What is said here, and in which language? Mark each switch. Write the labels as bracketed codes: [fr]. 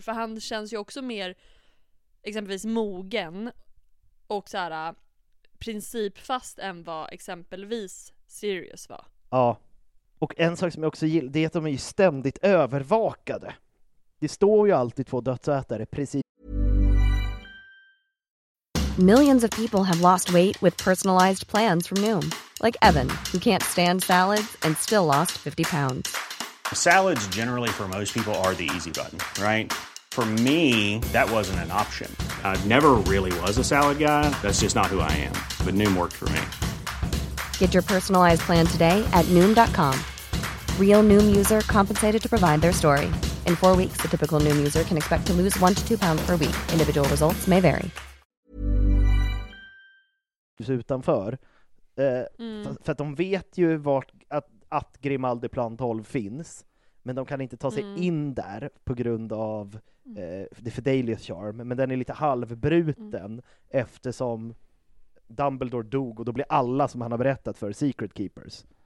[sv] För han känns ju också mer exempelvis mogen och så här principfast än vad exempelvis Sirius var. Ja, och en sak som jag också gillar, det är att de är ju ständigt övervakade. Det står ju alltid två dödsätare precis. [en] Millions of people have lost weight with personalized plans from Noom. Like Evan, who can't stand salads and still lost 50 pounds. Salads generally for most people are the easy button, right? For me, that wasn't an option. I never really was a salad guy. That's just not who I am. But Noom worked for me. Get your personalized plan today at Noom.com. Real Noom user compensated to provide their story. In 4 weeks, the typical Noom user can expect to lose 1 to 2 pounds per week. Individual results may vary. [sv] Utanför. För att de vet ju vart att Grimaldi plan 12 finns, men de kan inte ta sig in där på grund av The Fidelius Charm, men den är lite halvbruten eftersom Dumbledore dog och då blir alla som han har berättat för Secret Keepers.